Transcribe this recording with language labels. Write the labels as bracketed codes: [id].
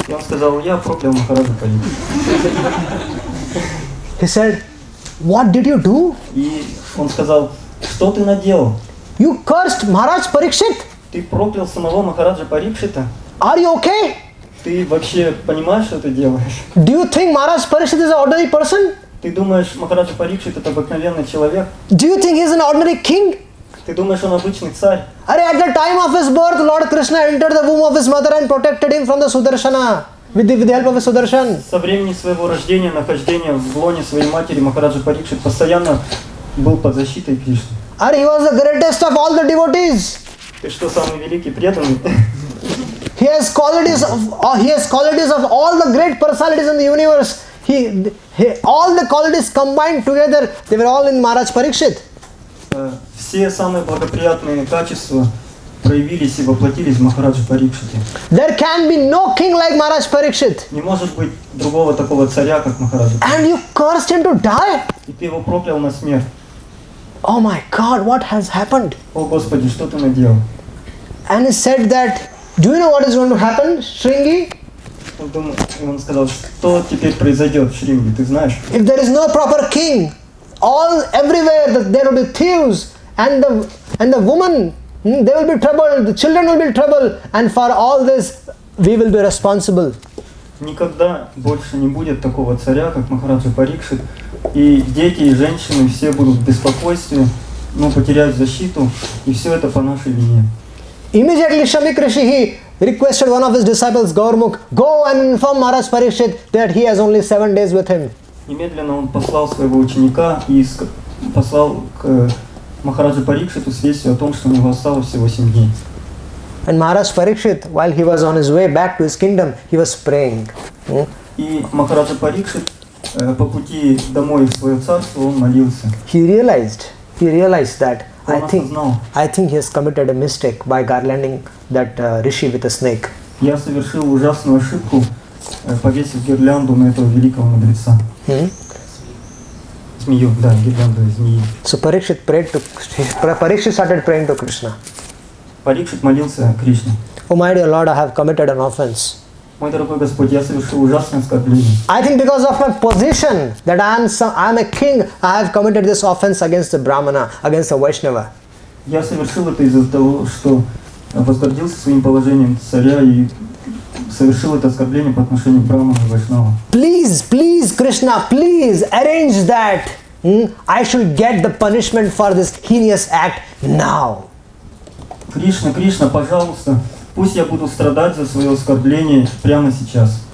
[ru] Он сказал, я проклял Махараджа Парикшит. [en] He said, "What did you do?" [ru] И он сказал, что ты наделал? [en] You cursed Maharaj Parikshit. [ru] Ты проклял самого Махараджа Парикшита. [en] Are you okay? [ru] Ты вообще понимаешь, что ты делаешь? [en] Do you think Maharaj Parikshit is an ordinary person? [ru] Ты думаешь, Махарадж Парикшит это обыкновенный человек? [en] Do you think he is an ordinary king? [ru] Ты думаешь, он обычный царь? [en] Are at the time of his birth, Lord Krishna entered the womb of his mother and protected him from the Sudarshana with the help of the Sudarshan. [ru] Со времени своего рождения, нахождения в лоне своей матери, Махарадж Парикшит постоянно был под защитой Кришны. [en] Are he was the greatest of all the devotees? [ru] Ты что, самый великий преданный? [en] He has qualities of all the great personalities in the universe. He all the qualities combined together, they were all in Maharaj Parikshit. [ru] Все самые благоприятные качества проявились и воплотились в Махарадже Парикшите. [en] There can be no king like Maharaj Parikshit. [ru] Не может быть другого такого царя, как Махарадж Парикшит. [en] And you cursed him to die? [ru] И ты его проклял на смерть. [en] Oh my God, what has happened? [ru] О Господи, что ты наделал? [en] And he said that, do you know what is going to happen, Шринги? [ru] Он сказал, что теперь произойдет, Шринги, ты знаешь? [en] If there is no proper king, all everywhere that there will be thieves and the woman, they will be troubled, the children will be troubled, and for all this we will be responsible. [ru] Никогда больше не будет такого царя, как Махараджа Парикшит, и дети, и женщины все будут в беспокойстве, но потеряют защиту, и все это по нашей вине. [en] Immediately Shamikrishi requested one of his disciples, Gaurmukh, go and inform Maharaj Parikshit that he has only 7 days with him. [ru] Немедленно он послал своего ученика и послал к Махараджу Парикшиту с вестью о том, что у него осталось всего 7 дней. [en] And Maharaj Parikshit, while he was on his way back to his kingdom, he was praying. [ru] И Махараджа Парикшит по пути домой в свое царство, он молился. [en] He realized that I think he has committed a mistake by garlanding that rishi with a snake. [ru] Я совершил ужасную ошибку, повесив гирлянду на этого великого мудреца. Змею, да, гирлянду из змеи. [en] So Parikshit started praying to Krishna. [ru] Парикшит молился Кришне. [en] Oh my dear Lord, I have committed an offense. [ru] Мой дорогой Господь, я совершил ужасное оскорбление. [en] I think because of my position that I am a king, I have committed this offense against the Brahmana, against the Vaishnava. [ru] Я совершил это из-за того, что возгордился своим положением царя и совершил это оскорбление по отношению к Брахману и Вайшнаву. [en] Please, Krishna, please arrange that I should get the punishment for this heinous act now. [ru] Кришна, пожалуйста, пусть я буду страдать за свое оскорбление прямо сейчас.